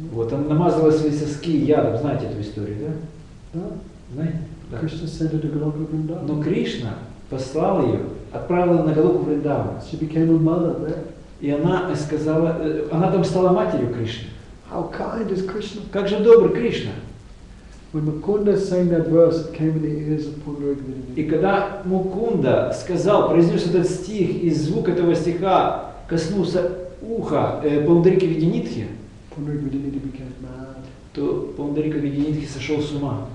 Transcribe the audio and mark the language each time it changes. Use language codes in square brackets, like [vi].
[ru] Вот, она намазала свои соски ядом. Знаете эту историю, да? Да. Знаете? [en] Krishna sent her to Goloka Vrindavan. [ru] Но Кришна послал ее, отправила на Голоку Вриндаван. [en] She became a mother there. [ru] И она сказала, она там стала матерью Кришны. [en] How kind is Krishna? [ru] Как же добр Кришна? [en] When Mukunda sang that verse, it came in the ears of Pundarika Vidyanidhi. [ru] И когда Мукунда сказал, произнес этот стих, и звук этого стиха коснулся уха Пундарики Видянитхи, [en] Pundarika Vidyanidhi became mad. [ru] То Пундарика Видянитхи сошел с ума.